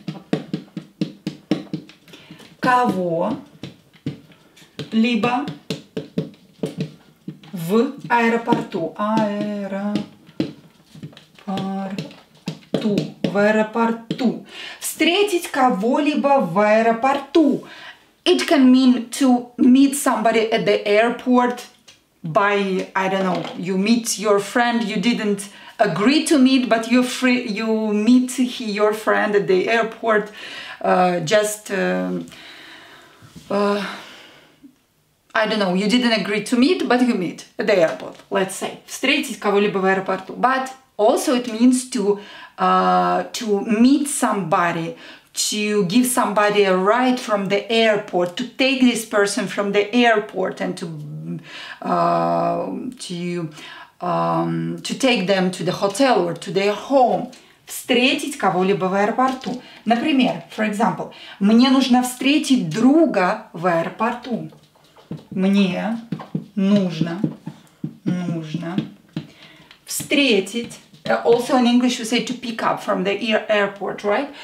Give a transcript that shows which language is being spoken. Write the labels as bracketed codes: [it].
[ru] Встретить кого-либо в аэропорту. В аэропорту. Встретить кого-либо в аэропорту. [en] It can mean to meet somebody at the airport by, I don't know, you meet your friend, you didn't agree to meet, but you meet your friend at the airport I don't know, you didn't agree to meet, but you meet at the airport, let's say. [ru] Встретить кого-либо в аэропорту. [en] But also it means to meet somebody, to give somebody a ride from the airport, to take this person from the airport and to take them to the hotel or to their home. [ru] Встретить кого-либо в аэропорту. Например, [en] for example, [ru] мне нужно встретить друга в аэропорту. Мне нужно встретить. [en] Also in English we say to pick up from the airport, right?